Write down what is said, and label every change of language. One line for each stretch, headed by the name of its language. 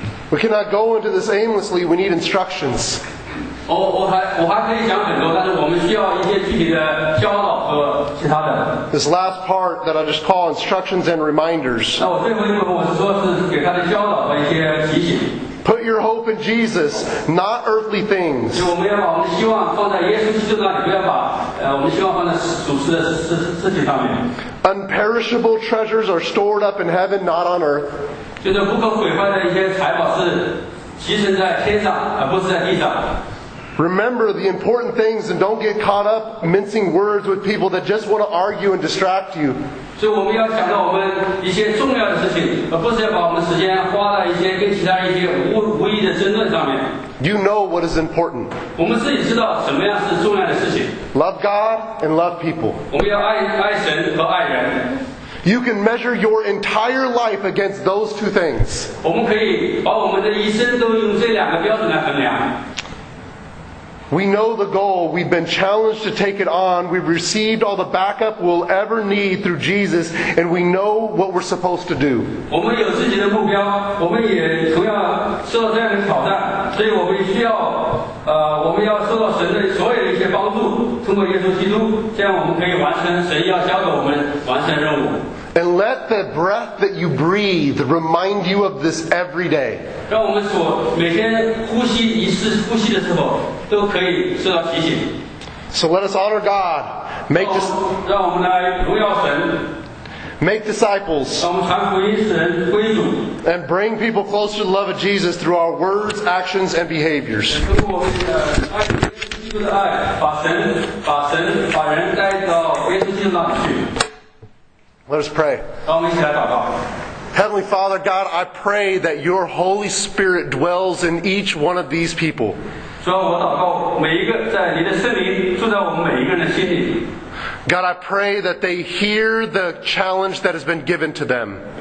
English: We cannot go into this aimlessly, we need instructions.
Chinese: 我还可以讲很多，但是我们需要一些具体的教导和其他的。
English: This last part that I just call instructions and reminders.
Chinese: 那我最后一部分我是说是给他的教导和一些提醒。
English: Put your hope in Jesus, not earthly things.
Chinese: 我们要把我们的希望放在耶稣基督那里，不要把我们的希望放在属世的事情上面。
English: Unperishable treasures are stored up in heaven, not on earth.
Chinese: 就是不可毁坏的一些财宝是积存在天上，而不是在地上。
English: Remember the important things and don't get caught up mincing words with people that just want to argue and distract you.
Chinese: 所以我们要想到我们一些重要的事情，而不是要把我们时间花在一些跟其他一些无意的争论上面。
English: You know what is important.
Chinese: 我们自己知道什么样是重要的事情。
English: Love God and love people.
Chinese: 我们要爱神和爱人。
English: You can measure your entire life against those two things.
Chinese: 我们可以把我们的一生都用这两个标准来衡量。
English: We know the goal. We've been challenged to take it on. We've received all the backup we'll ever need through Jesus, and we know what we're supposed to do.
Chinese: 我们有自己的目标，我们也同样受到这样的挑战，所以我们需要，我们要受到神的所有的一些帮助，通过耶稣基督，这样我们可以完成神要交给我们完成任务。
English: And let the breath that you breathe remind you of this every day.
Chinese: 让我们所每天呼吸一次呼吸的时候都可以受到提醒。
English: So let us honor God. Make
Chinese: 让我们来荣耀神。
English: Make disciples.
Chinese: 让我们传福音神归主。
English: And bring people closer to the love of Jesus through our words, actions, and behaviors.
Chinese: 通过我们的爱耶稣基督的爱，把神把人带到耶稣基督那里去。
English: Let us pray. Heavenly Father, God, I pray that your Holy Spirit dwells in each one of these people. God, I pray that they hear the challenge that has been given to them.